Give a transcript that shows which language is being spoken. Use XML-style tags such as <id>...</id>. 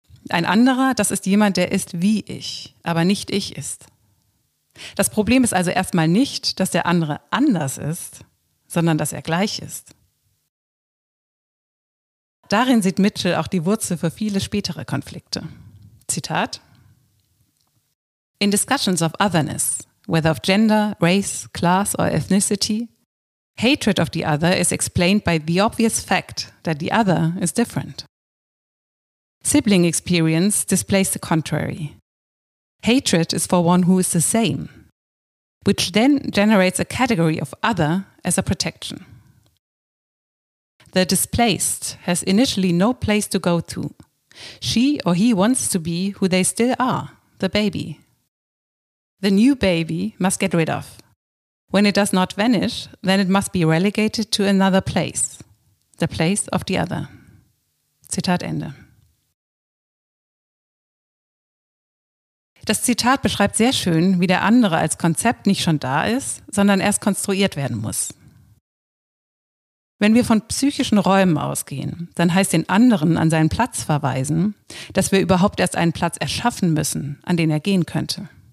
<de>Ein anderer, das ist jemand, der ist wie ich, aber nicht ich ist. Das Problem ist also erstmal nicht, dass der andere anders ist, sondern dass er gleich ist. Darin sieht Mitchell auch die Wurzel für viele spätere Konflikte. Zitat:</de> <en>In discussions of otherness, whether of gender, race, class or ethnicity, hatred of the other is explained by the obvious fact that the other is different. Sibling experience displays the contrary. Hatred is for one who is the same, which then generates a category of other as a protection. The displaced has initially no place to go to. She or he wants to be who they still are, the baby. The new baby must get rid of. When it does not vanish, then it must be relegated to another place, the place of the other.</en> <de>Zitat Ende. Das Zitat beschreibt sehr schön, wie der andere als Konzept nicht schon da ist, sondern erst konstruiert werden muss. Wenn wir von psychischen Räumen ausgehen, dann heißt den anderen an seinen Platz verweisen, dass wir überhaupt erst einen Platz erschaffen müssen, an den er gehen könnte.</de>